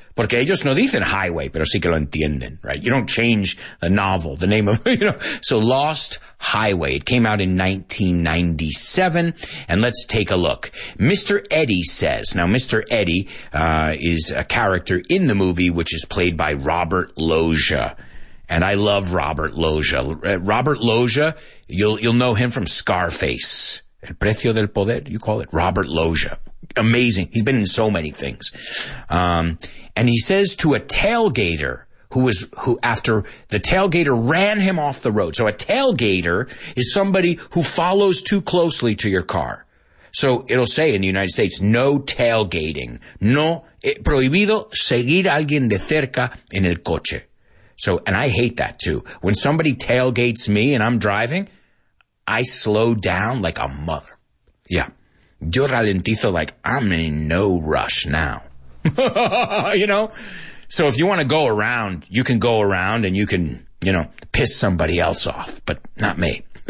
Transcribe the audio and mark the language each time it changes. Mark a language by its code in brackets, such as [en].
[es] Porque ellos no dicen highway, pero sí que lo entienden, right? [en] You don't change a novel, the name of, you know. So Lost Highway, it came out in 1997, and let's take a look. Mr. Eddie says, now Mr. Eddie is a character in the movie which is played by Robert Loggia. And I love Robert Loggia. Robert Loggia, you'll know him from Scarface. El Precio del Poder, you call it Robert Loggia. Amazing. He's been in so many things. And he says to a tailgater who after the tailgater ran him off the road. So a tailgater is somebody who follows too closely to your car. So it'll say in the United States, no tailgating. [es] No, prohibido seguir alguien de cerca en el coche. [en] So, and I hate that too. When somebody tailgates me and I'm driving, I slow down like a mother. Yeah. [es] Yo ralentizo [en] like I'm in no rush now. You know? So if you want to go around, you can go around and you can, you know, piss somebody else off, but not me.